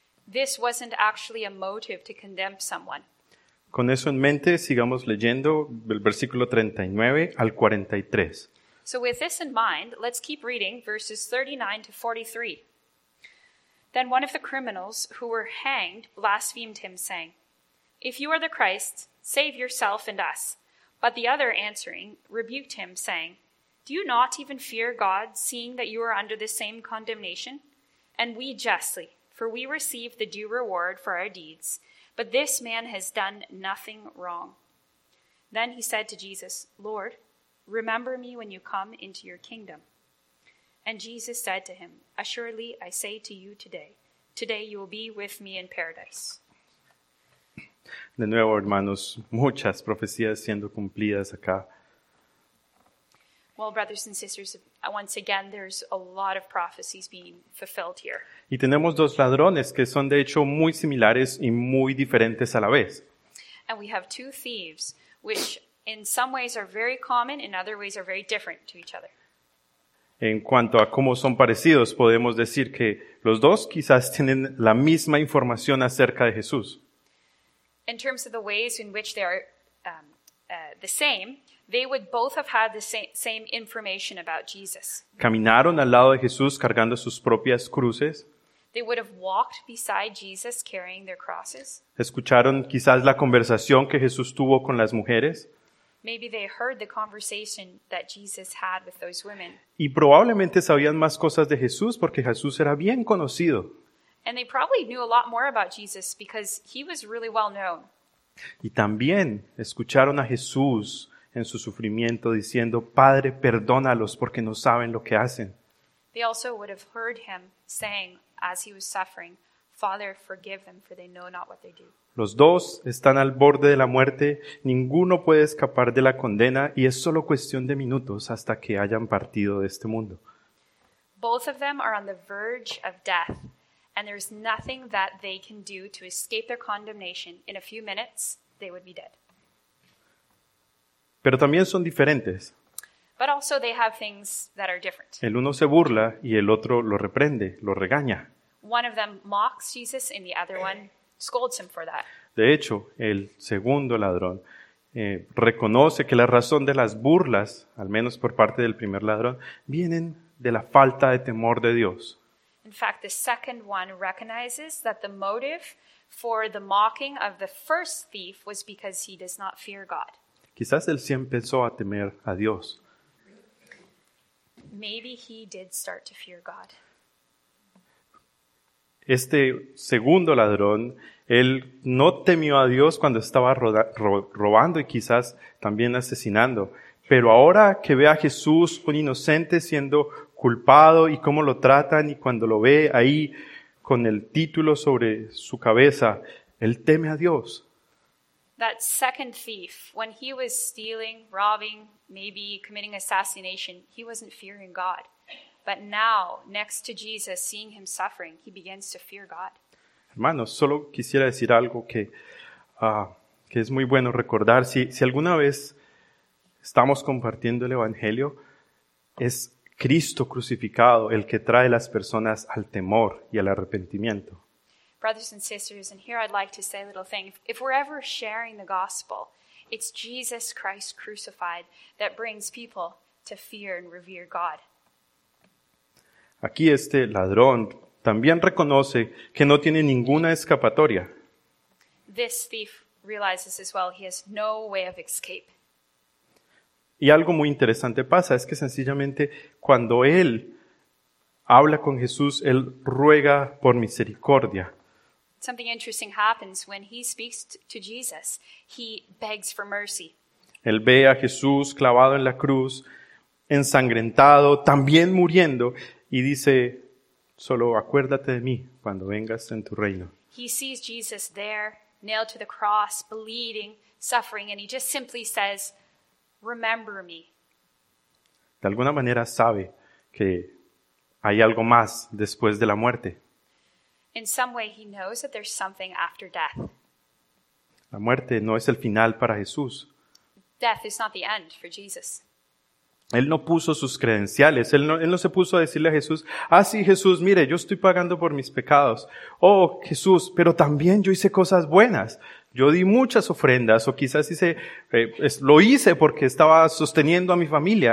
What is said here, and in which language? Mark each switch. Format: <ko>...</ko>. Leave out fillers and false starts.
<en>This wasn't actually a motive to condemn someone.</en> <es>Con eso en mente, sigamos leyendo el versículo 39 al 43.</es> <en>So with this in mind, let's keep reading verses 39 to 43. Then one of the criminals who were hanged blasphemed him, saying, If you are the Christ, save yourself and us. But the other answering rebuked him, saying, Do you not even fear God, seeing that you are under the same condemnation? And we justly, for we receive the due reward for our deeds, but this man has done nothing wrong. Then he said to Jesus, Lord, remember me when you come into your kingdom. And Jesus said to him, Assuredly, I say to you today you will be with me in paradise.</en> <es>De nuevo, hermanos, muchas profecías siendo cumplidas acá.</es> <en>Well, brothers and sisters, once again, there's a lot of prophecies being fulfilled here.</en> <es>Y tenemos dos ladrones que son de hecho muy similares y muy diferentes a la vez.</es> <en>And we have two thieves, which in some ways are very common, in other ways are very different to each other.</en> <es>En cuanto a cómo son parecidos, podemos decir que los dos quizás tienen la misma información acerca de Jesús.</es> <en>In terms of the ways in which they are the same, they would both have had the same information about Jesus.</en> <es>Caminaron al lado de Jesús cargando sus propias cruces.</es> <en>They would have walked beside Jesus carrying their crosses.</en> <es>Escucharon quizás la conversación que Jesús tuvo con las mujeres.</es> <en>Maybe they heard the conversation that Jesus had with those women.</en> <es>Y probablemente sabían más cosas de Jesús porque Jesús era bien conocido.</es> <en>And they probably knew a lot more about Jesus because he was really well known.</en> <es>Y también escucharon a Jesús en su sufrimiento diciendo, Padre, perdónalos porque no saben lo que hacen.</es> <en>They also would have heard him saying, as he was suffering, Father, forgive them, for they know not what they do.</en> <es>Los dos están al borde de la muerte. Ninguno puede escapar de la condena y es solo cuestión de minutos hasta que hayan partido de este mundo.</es> <en>Both of them are on the verge of death and there's nothing that they can do to escape their condemnation. In a few minutes, they would be dead.</en> <es>Pero también son diferentes.</es> <en>But also they have things that are different.</en> <es>El uno se burla y el otro lo reprende, lo regaña.</es> <en>One of them mocks Jesus and the other one scolds him for that.</en> <es>De hecho, el segundo ladrón reconoce que la razón de las burlas, al menos por parte del primer ladrón, vienen de la falta de temor de Dios.</es> <en>In fact, the second one recognizes that the motive for the mocking of the first thief was because he does not fear God.</en> <es>Quizás él sí empezó a temer a Dios.</es> <en>Maybe he did start to fear God.</en> <es>Este segundo ladrón, él no temió a Dios cuando estaba robando y quizás también asesinando. Pero ahora que ve a Jesús, un inocente, siendo culpado y cómo lo tratan y cuando lo ve ahí con el título sobre su cabeza, él teme a Dios.</es> <en>That second thief, when he was stealing, robbing, maybe committing assassination, he wasn't fearing God. But now, next to Jesus, seeing him suffering, he begins to fear God.</en> <es>Hermanos, solo quisiera decir algo que es muy bueno recordar. Si alguna vez estamos compartiendo el Evangelio, es Cristo crucificado el que trae las personas al temor y al arrepentimiento.</es> <en>Brothers and sisters, and here I'd like to say a little thing. If we're ever sharing the gospel, it's Jesus Christ crucified that brings people to fear and revere God.</en> <es>Aquí este ladrón también reconoce que no tiene ninguna escapatoria.</es> <en>This thief realizes as well he has no way of escape.</en> <es>Y algo muy interesante pasa, es que sencillamente cuando él habla con Jesús, él ruega por misericordia.</es> <en>Something interesting happens when he speaks to Jesus. He begs for mercy.</en> <es>Él ve a Jesús clavado en la cruz, ensangrentado, también muriendo, y dice, solo acuérdate de mí cuando vengas en tu reino.</es> <en>He sees Jesus there, nailed to the cross, bleeding, suffering, and he just simply says, remember me.</en> <es>De alguna manera sabe que hay algo más después de la muerte.</es> <en>In some way, he knows that there's something after death.</en> <es>La muerte no es el final para Jesús.</es> <en>Death is not the end for Jesus.</en> <es>Él no puso sus credenciales. Él no se puso a decirle a Jesús, ah, sí, Jesús, mire, yo estoy pagando por mis pecados. Oh, Jesús, pero también yo hice cosas buenas. Yo di muchas ofrendas, o quizás lo hice porque estaba sosteniendo a mi familia.</es>